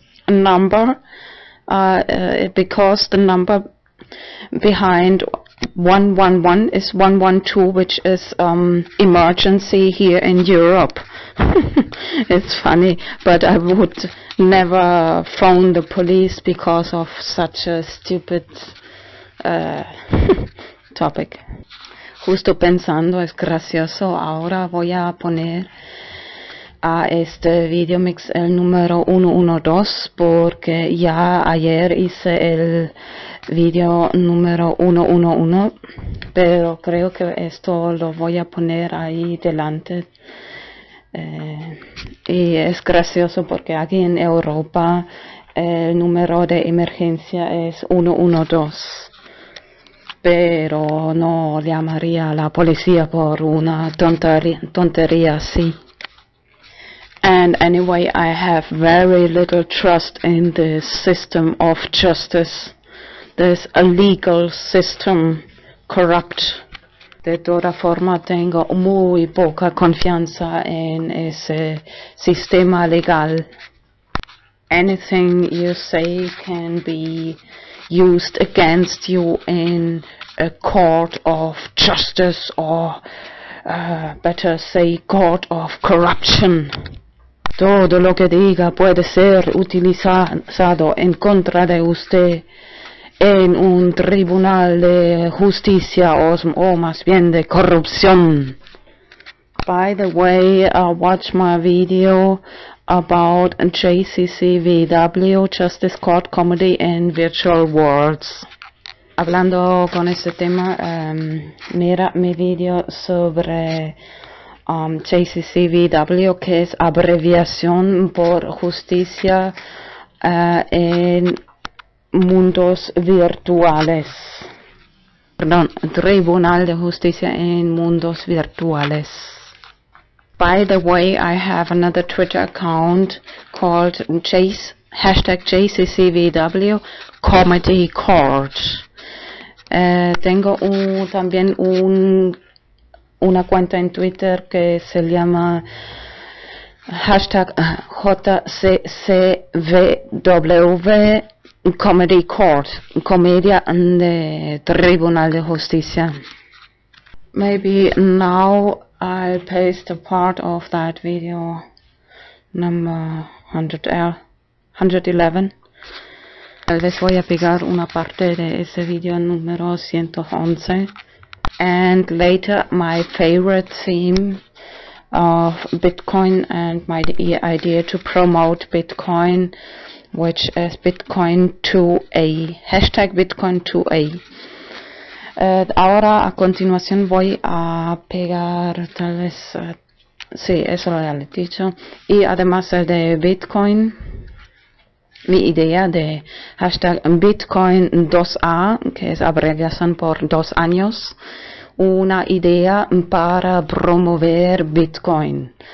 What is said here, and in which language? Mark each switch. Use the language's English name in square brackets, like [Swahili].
[English] It's just a casual number because the number behind 111 is 112, which is emergency here in Europe. It's funny, but I would never phone the police because of such a stupid topic. [Spanish] Justo pensando, es gracioso, ahora voy a poner a este video mix el número 112, porque ya ayer hice el video número 111, pero creo que esto lo voy a poner ahí delante. Y es gracioso porque aquí en Europa el número de emergencia es 112, pero no llamaría a la policía por una tontería así. [English] And anyway, I have very little trust in the system of justice, this illegal system, corrupt. [Spanish] De toda forma, tengo muy poca confianza en ese sistema legal. [English] Anything you say can be used against you in a court of justice, or better say, court of corruption. [Spanish] Todo lo que diga puede ser utilizado en contra de usted en un tribunal de justicia, o más bien de corrupción. [English] By the way, watch my video about JCCVW, Justice Court Comedy in Virtual Worlds. [Spanish] Hablando con este tema, mira mi video sobre JCCVW, que es abreviación por justicia en mundos virtuales. Perdón, Tribunal de Justicia en Mundos Virtuales. [English] By the way, I have another Twitter account called #JCCVW Comedy Court. [Spanish] Tengo también una cuenta en Twitter que se llama #JCCVW Comedy Court, Comedia de Tribunal de Justicia. [English] Maybe now I'll paste a part of that video, number 111. [Spanish] Tal vez voy a pegar una parte de ese video número 111. [English] And later, my favorite theme of Bitcoin and my idea to promote Bitcoin, which is Bitcoin2A, #Bitcoin2A. [Spanish] Ahora, a continuación, voy a pegar, tal vez, sí, eso lo he dicho, y además de Bitcoin, mi idea de #Bitcoin2A, que es abreviación por 2 años, una idea para promover Bitcoin.